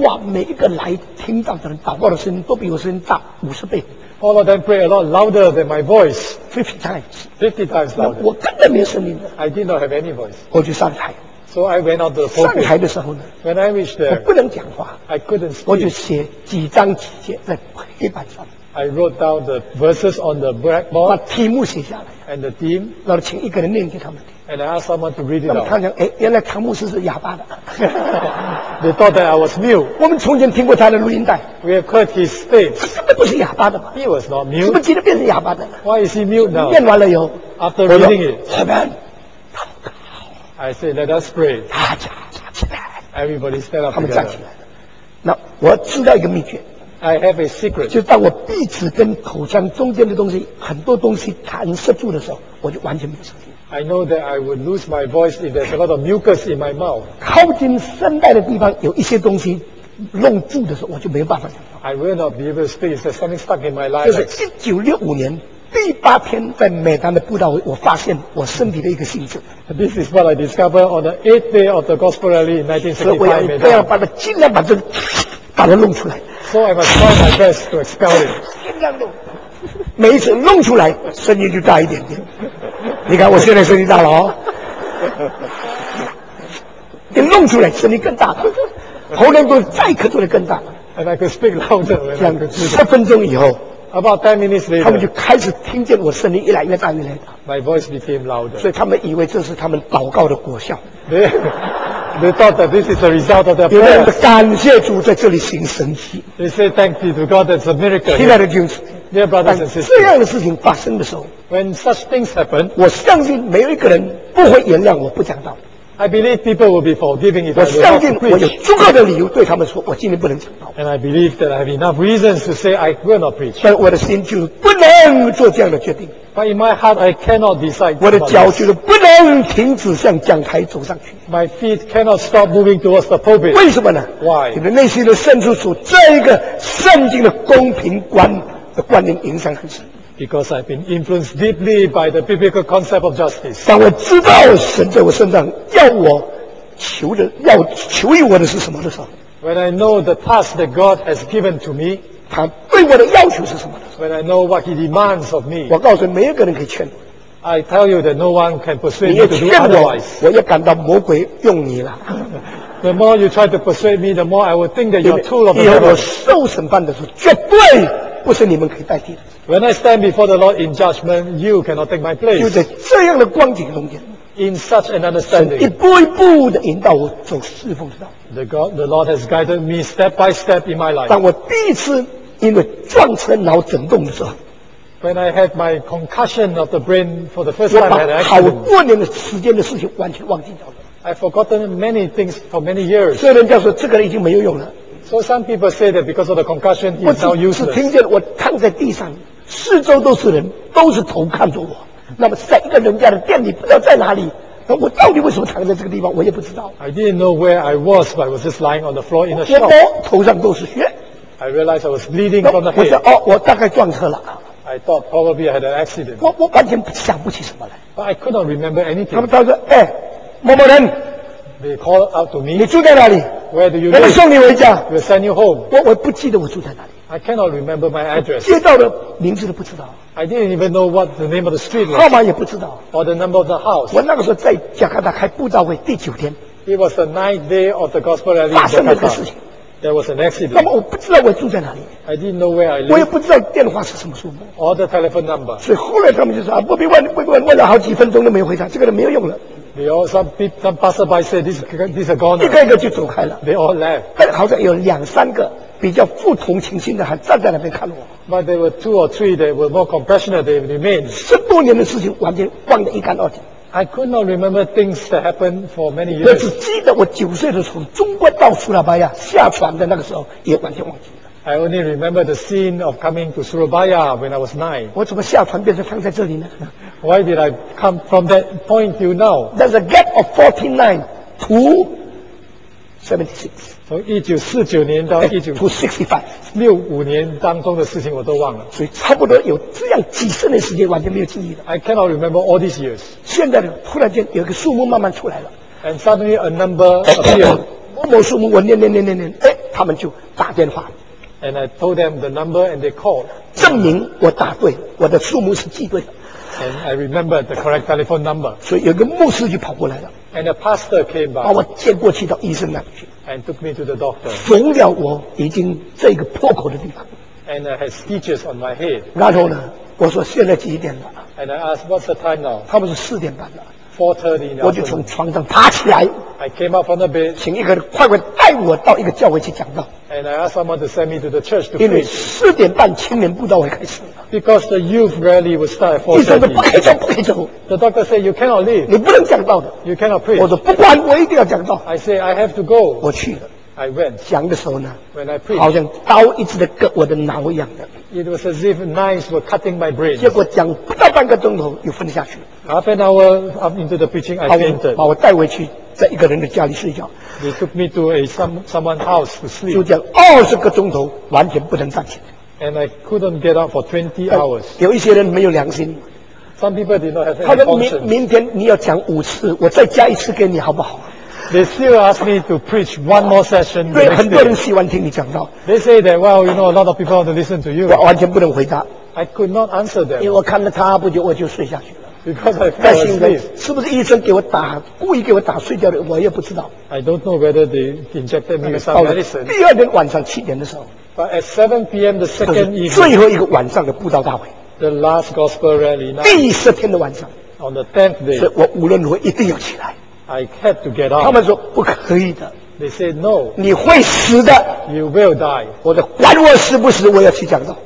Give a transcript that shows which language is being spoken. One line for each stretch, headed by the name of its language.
Chinese: 哇，每一个来听到的人祷告的声音都比我声音大50倍。
English: All of them prayed a lot louder than my voice. 50 times. 50 times louder.
Chinese: 我根本没有声音的。
English: I did not have any voice.
Chinese: 我就上台。
English: So I went out to the pulpit.
Chinese: 上台的时候呢
English: ，When I reached there，
Chinese: 我不能讲话
English: ，I couldn't speak。
Chinese: 我就写几章几节在黑板上。
English: I wrote down the verses on the blackboard。
Chinese: 把题目写下来。
English: And the theme。
Chinese: 然后请一个人念给他们听。
English: And I asked someone to read it out。
Chinese: 他们讲，哎，原来唐牧师是哑巴的。
English: They thought that I was mute。
Chinese: 我们从前听过他的录音带。
English: We have heard his tapes。
Chinese: 他根本不是哑巴的嘛。
English: He was not mute。
Chinese: 怎么今天变成哑巴的了
English: ？Why is he mute now？
Chinese: 念完了以后
English: ，After reading it，
Chinese: 好难。
English: I say, let us pray.
Chinese: 大家站起来。
English: Everybody stand up.
Chinese: 他们站起来了。那我知道一个秘诀。
English: I have a secret.
Chinese: 就当我鼻子跟口腔中间的东西很多东西弹射住的时候，我就完全没有声音。
English: I know that I would lose my voice if there's a lot of mucus in my mouth.
Chinese: 靠近声带的地方有一些东西弄住的时候，我就没有办法讲话。
English: I will not be able to speak. There's something stuck in my larynx.
Chinese: 就是1965年。第八天在美丹的布道会，我发现我身体的一个性质。
English: This is what I discovered on the eighth day of the gospel rally in 1965.
Chinese: 所以我要把它尽量把这个把它弄出来。
English: So I must try my best to expel it.
Chinese: 尽量弄，每一次弄出来，声音就大一点点。你看我现在声音大了哦，你弄出来声音更大了，喉咙都再咳出来更大了。
English: And I could speak louder.
Chinese: 这样十分钟以后。
English: About 10 minutes later,
Chinese: 他们就开始听见我声音越来越大越来越大。
English: My voice became louder.
Chinese: 所以他们以为这是他们祷告的果效。
English: They thought that this is a result of their prayers.
Chinese: 有人感谢主在这里行神迹。
English: They say thank you to God, that's a miracle.
Chinese: 亲爱的弟兄姊妹
English: ，Dear brothers and sisters,
Chinese: 这样的事情发生的时候
English: ，When such things happen,
Chinese: 我相信没有一个人不会原谅我不讲道。
English: I believe people will be forgiving if I don't preach.
Chinese: 我相信我有足够的理由对他们说，我今天不能讲道。
English: And I believe that I have enough reasons to say I will not preach.
Chinese: 但我的心就不能做这样的决定。
English: But in my heart, I cannot decide.
Chinese: 我的脚就不能停止向讲台走上去。
English: My feet cannot stop moving towards the pulpit.
Chinese: 为什么呢
English: ？Why？
Chinese: 你的内心的深处处，这一个圣经的公平观的观念影响很深。
English: Because I've been influenced deeply by the biblical concept of justice.
Chinese: 当我知道神在我身上要我求的，要求于我的是什么的时候
English: ，When I know the task that God has given to me，
Chinese: 他对我的要求是什么的
English: ？When I know what He demands of me，
Chinese: 我告诉每一个人可以劝我。
English: I tell you that no one can persuade me to do otherwise.
Chinese: 我也感到魔鬼用你了。
English: The more you try to persuade me, the more I will think that you're a tool of the devil.
Chinese: 以后我受审判的时候，绝对不是你们可以代替的。
English: When I stand before the Lord in judgment, you cannot take my place.
Chinese: 就在这样的光景中间
English: ，in such an understanding,
Chinese: 神一步一步的引导我走侍奉之道。
English: The Lord has guided me step by step in my life.
Chinese: 当我第一次因为撞车脑震动的时候
English: ，when I had my concussion of the brain for the first time,
Chinese: 我把好多年的时间的事情完全忘记掉了。
English: I've forgotten many things for many years.
Chinese: 所以人家说这个人已经没有用了。
English: So some people say that because of the concussion, he's now useless.
Chinese: 我只听见我躺在地上，四周都是人，都是头看着我。那么在一个人家的店里，不知道在哪里。那我到底为什么躺在这个地方，我也不知道。
English: I didn't know where I was, but I was just lying on the floor in a shop.
Chinese: 我头上都是血。
English: I realized I was bleeding from the head.
Chinese: 我想，哦，我大概撞车了。
English: I thought probably I had an accident.
Chinese: 我完全想不起什么来。
English: But I could not remember anything.
Chinese: 他们到这，哎，某某人。
English: They call out to me.
Chinese: 你住在哪里？
English: Where do you live?
Chinese: 人家送你回家。
English: We'll send you home.
Chinese: 我不记得我住在哪里。
English: I cannot remember my address.
Chinese: 街道的名字都不知道。
English: I didn't even know what the name of the street was.
Chinese: 号码也不知道。
English: Or the number of the house.
Chinese: 我那个时候在加拿大开布道会第九天。
English: It was the ninth day of the gospel rally.
Chinese: 发生了一个事情。
English: There was an accident.
Chinese: 那么我不知道我住在哪里。
English: I didn't know where I live.
Chinese: 我也不知道电话是什么数目。
English: Or the telephone number.
Chinese: 所以后来他们就说啊，不必问，不必问，问了好几分钟都没有回答，这个人没有用了。
English: They all some passerby said this is a goner.
Chinese: 一个一个就走开了。
English: They all left.
Chinese: 但好像有两三个比较不同情心的还站在那边看我。
English: But there were two or three that were more compassionate. They remained.
Chinese: 十多年的事情完全忘得一干二净。
English: I could not remember things that happened for many years.
Chinese: 我只记得我九岁的时候，中国到苏拉巴亚下船的那个时候，也完全忘记了。
English: I only remember the scene of coming to Surabaya when I was nine.
Chinese: 我怎么下船变成躺在这里呢？
English: Why did I come from that point till now? There's a gap of 49 to 76. So
Chinese: 1945年当中的事情我都忘了。所以差不多有这样几十年时间完全没有记忆了。
English: I cannot remember all these years.
Chinese: 现在突然间有个数目慢慢出来了。
English: And suddenly a number appeared.
Chinese: 某某数目我念念念念念，哎，他们就打电话。
English: And I told them the number and they called.
Chinese: 证明我答对，我的数目是记对的。
English: And I remember the correct telephone number.
Chinese: 所以有个牧师就跑过来了。
English: And a pastor came by.
Chinese: 把我接过去到医生那里去。
English: And took me to the doctor.
Chinese: 缝了我已经这个破口的地方。
English: And has stitches on my head.
Chinese: 然后呢，我说现在几点了
English: ？And I asked what's the time now?
Chinese: 他们是四点半了。
English: 4:30
Chinese: 我就从床上爬起来。
English: I came up from the bed.
Chinese: 请一个人快快带我到一个教会去讲道。
English: And I asked someone to send me to the church to preach.
Chinese: 因为四点半青年布道会开始。
English: Because the youth rally would start at 4:30.
Chinese: 医生说不可以走，不可以走。
English: The doctor said you cannot leave.
Chinese: 你不能讲道的。
English: You cannot preach.
Chinese: 我说不管，我一定要讲道。
English: I say I have to go.
Chinese: 我去了。
English: I went.
Chinese: 讲的时候呢
English: ，When I preach,
Chinese: 好像刀一直的割我的脑一样的。
English: It was as if knives were cutting my brain.
Chinese: 结果讲不到半个钟头又昏下去。
English: Half an hour up into the preaching, I fainted.
Chinese: 把我带回去，在一个人的家里睡觉。
English: They took me to someone's house to sleep.
Chinese: 就这样20个钟头，完全不能站起来。
English: And I couldn't get up for 20 hours.
Chinese: 有一些人没有良心。
English: Some people did not have any conscience.
Chinese: 他说明天你要讲5次，我再加一次给你，好不好？
English: They still ask me to preach one more session.
Chinese: 对，很多人喜欢听你讲道。
English: They say that, well, you know, a lot of people want to listen to you.
Chinese: 我完全不能回答。
English: I could not answer them.
Chinese: 因为我看了他不久，我就睡下去了。
English: Because I fell asleep.
Chinese: 是不是医生给我打，故意给我打睡觉的？我也不知道。
English: I don't know whether they injected me with some medicine.
Chinese: 第二天晚上7点的时候。
English: But at 7 p.m. the second evening.
Chinese: 最后一个晚上的布道大会。
English: The last gospel rally.
Chinese: 第十天的晚上。
English: On the 10th day.
Chinese: 所以我无论如何一定要起来。
English: I had to get up.
Chinese: 他们说不可以的。
English: They said no.
Chinese: 你会死的。
English: You will die.
Chinese: 我说管我死不死，我要去讲道。